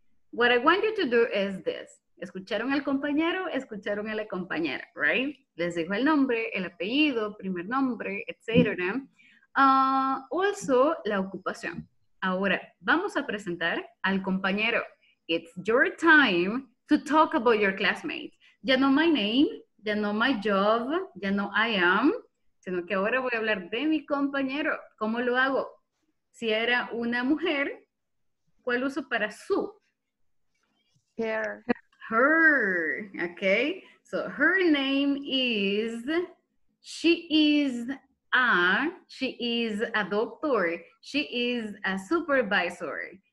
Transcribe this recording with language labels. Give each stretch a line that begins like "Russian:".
English: What I want you to do is this.
Spanish: Escucharon al compañero, escucharon a la compañera, right? Les dijo el nombre, el apellido, primer nombre, etc. Also, la ocupación. Ahora, vamos a presentar al compañero.
English: It's your time to talk about your classmates.
Spanish: Ya no
English: my name,
Spanish: ya no
English: my job,
Spanish: ya no
English: I am,
Spanish: sino que ahora voy a hablar de mi compañero. ¿Cómo lo hago? Si era una mujer, ¿cuál uso para su?
English: Her. Her, okay? So her name is, she is a doctor, she is a supervisor.